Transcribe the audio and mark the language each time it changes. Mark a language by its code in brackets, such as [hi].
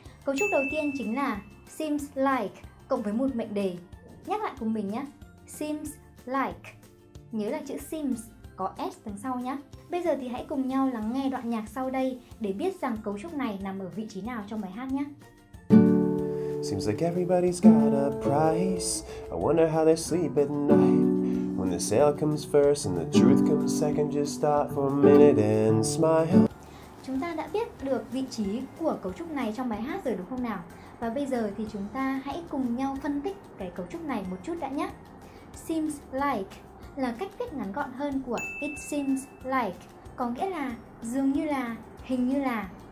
[vi] Cấu trúc đầu tiên chính là seems like cộng với một mệnh đề. Nhắc lại cùng mình nhé. Seems like. Nhớ là chữ seems có S đằng sau nhé. Bây giờ thì hãy cùng nhau lắng nghe đoạn nhạc sau đây để biết rằng cấu trúc này nằm ở vị trí nào trong bài hát nhé. [en] Seems like everybody's got a price. I wonder how they sleep at night. When the sale comes first and the truth comes second, just stop for a minute and smile. [vi] Chúng ta đã biết được vị trí của cấu trúc này trong bài hát rồi đúng không nào? Và bây giờ thì chúng ta hãy cùng nhau phân tích cái cấu trúc này một chút đã nhé. Seems like là cách viết ngắn gọn hơn của [en] it seems like, [vi] có nghĩa là dường như là, hình như là.